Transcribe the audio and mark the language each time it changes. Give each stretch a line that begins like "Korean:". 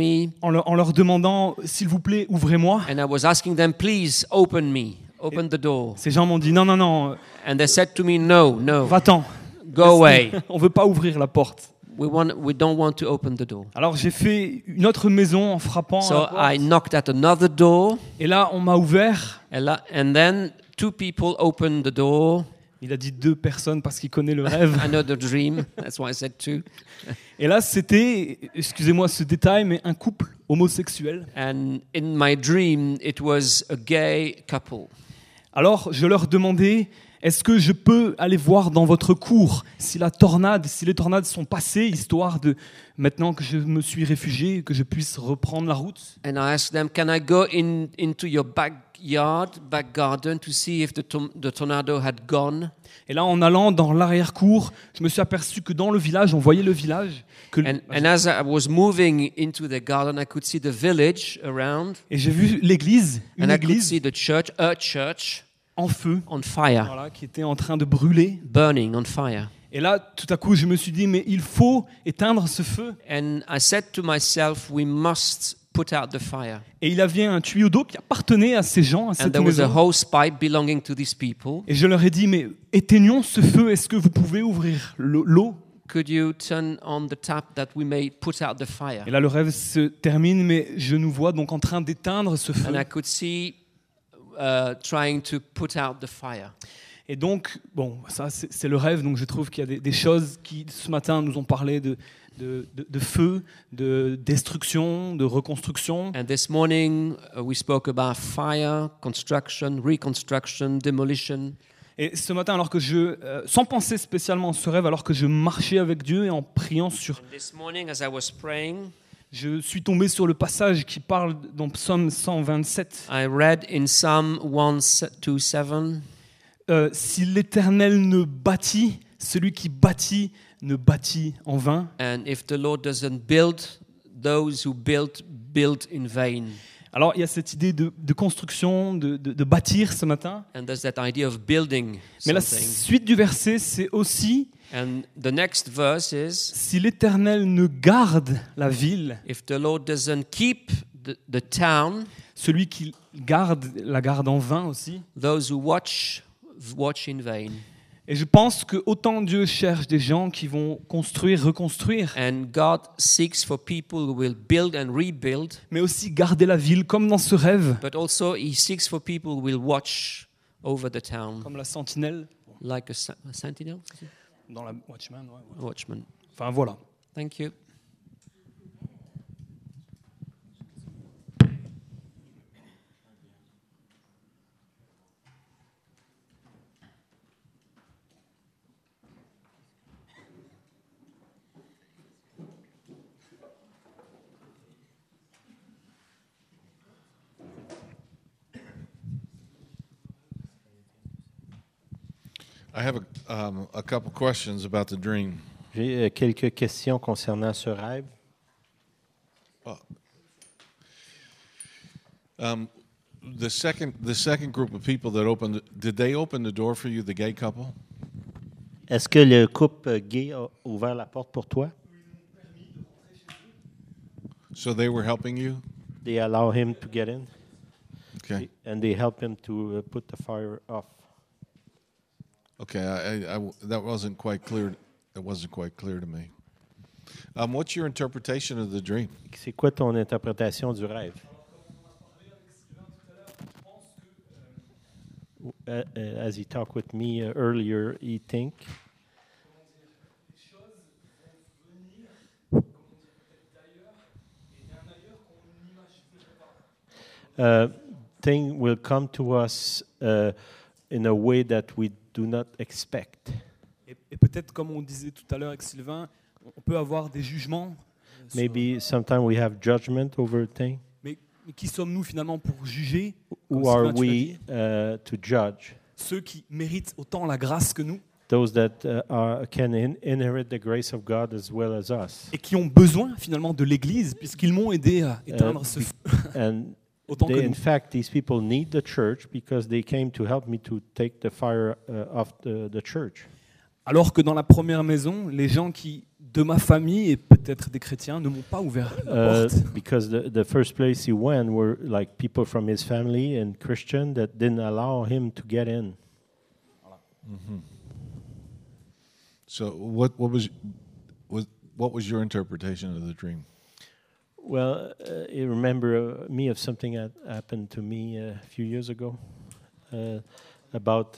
French: et me en leur demandant s'il vous plaît ouvrez-moi.
English: And I was asking them please open me, open the door.
French: Ces gens m'ont dit non.
English: And they said to me no.
French: Va-t'en.
English: Go away.
French: On veut pas ouvrir la porte.
English: We don't want to open the door.
French: Alors j'ai fait une autre maison en frappant.
English: So I knocked at another door.
French: Et là on m'a ouvert.
English: And then two people opened the door.
French: Il a dit deux personnes parce qu'il connaît le rêve.
English: Another dream, that's why I said two.
French: Et là, c'était, excusez-moi ce détail, mais un couple homosexuel.
English: And in my dream, it was a gay couple.
French: Alors, je leur demandais, Est-ce que je peux aller voir dans votre cour si la tornade, si les tornades sont passées, histoire de, maintenant que je me suis réfugié, que je puisse reprendre la route?
English: And I asked them, can I go in, into your backyard, back garden, to see if the tornado had gone?
French: Et là, en allant dans l'arrière-cour, je me suis aperçu que dans le village, on voyait le village.
English: And as I was moving into the garden, I could see the village around.
French: Et j'ai vu l'église, une église.
English: And I could see the church, a church.
French: En feu,
English: on fire.
French: Voilà, qui était en train de brûler.
English: Burning on fire.
French: Et là, tout à coup, je me suis dit, mais il faut éteindre ce feu.
English: And I said to myself, we must put out the fire.
French: Et il avait un tuyau d'eau qui appartenait à ces gens, à cette maison.
English: And there was a hose pipe belonging to these people.
French: Et je leur ai dit, mais éteignons ce feu. Est-ce que vous pouvez ouvrir l'eau?
English: Could you turn on the tap that we may put out the fire?
French: Et là, le rêve se termine, mais je nous vois donc en train d'éteindre ce feu.
English: And I could see. Trying to put out the fire.
French: Et donc, bon, ça c'est le rêve, donc je trouve qu'il y a des choses qui ce matin nous ont parlé de feu, de destruction, de reconstruction.
English: And this morning we spoke about fire, construction, reconstruction, demolition.
French: Et ce matin, alors que je, sans penser spécialement à ce rêve, alors que je marchais avec Dieu et en priant sur.
English: And this morning, as I was praying,
French: je suis tombé sur le passage qui parle dans Psaume 127.
English: I read in Psalm 127.
French: Si l'Éternel ne bâtit, celui qui bâtit ne bâtit en vain.
English: And if the Lord doesn't build, those who build build in vain.
French: Alors il y a cette idée de construction, de bâtir ce matin.
English: And there's that idea of building.
French: Mais la suite du verset, c'est aussi.
English: And the next verse is,
French: si l'Éternel ne garde la ville,
English: if the Lord doesn't keep the town,
French: celui qui garde la garde en vain aussi,
English: those who watch in vain.
French: Et je pense que autant Dieu cherche des gens qui vont construire, reconstruire,
English: and God seeks for people who will build and rebuild,
French: mais aussi garder la ville comme dans ce rêve,
English: but also he seeks for people who will watch over the town,
French: comme la sentinelle,
English: like a sentinel.
French: Dans la Watchman, ouais, ouais.
English: Watchman.
French: Enfin, voilà.
English: Thank you. I have a couple questions about the dream.
French: J'ai quelques questions concernant ce rêve.
English: The second group of people that opened, did they open the door for you, the gay couple?
French: Est-ce que le couple gay a ouvert la porte pour toi?
English: So they were helping you? They allow him to get in. Okay. And they help him to put the fire off. Okay, that wasn't quite clear. It wasn't quite clear to me. What's your interpretation of the dream?
French: C'est quoi ton interprétation du rêve?
English: As he talked with me earlier, he think. Thing will come to us in a way that we. Do not expect.
French: Et peut-être comme on disait tout à l'heure avec Sylvain, on peut avoir des jugements.
English: Maybe sometimes we have judgment over a thing.
French: Mais qui sommes-nous finalement pour juger?
English: Who are we to judge?
French: Ceux qui méritent autant la grâce que nous.
English: Those that can inherit the grace of God as well as us.
French: Et qui ont besoin finalement de l'Église puisqu'ils m'ont aidé à éteindre ce feu.
English: They, in fact, these people need the church because they came to help me to take the fire off the church.
French: Alors que dans la première maison, les gens qui de ma famille et peut-être des chrétiens ne m'ont pas ouvert la porte.
English: Because the first place he went were like people from his family and Christian that didn't allow him to get in.
French: Voilà. Mm-hmm.
English: So what was your interpretation of the dream? Well, it remember me of something that happened to me a few years ago about.